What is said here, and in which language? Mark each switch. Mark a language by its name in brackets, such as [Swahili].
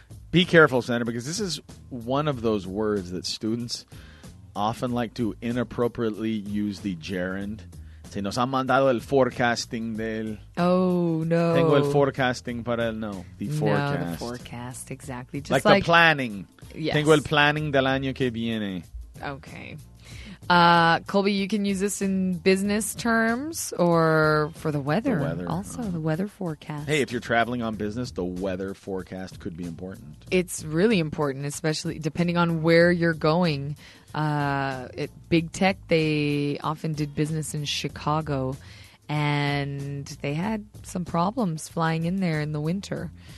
[English] Be careful, Sandra, because this is one of those words that students often like to inappropriately use the gerund. [Spanish] Se nos han mandado el forecasting del... [English] Oh, no. [Spanish] Tengo el forecasting para el... [English] No, the forecast. No, the forecast, exactly. Just like the planning. Yes. [Spanish] Tengo el planning del año que viene. [English] Okay. Colby, you can use this in business terms or for the weather. The weather. Also, the weather forecast. Hey, if you're traveling on business, the weather forecast could be important. It's really important, especially depending on where you're going. At Big Tech, they often did business in Chicago, and they had some problems flying in there in the winter.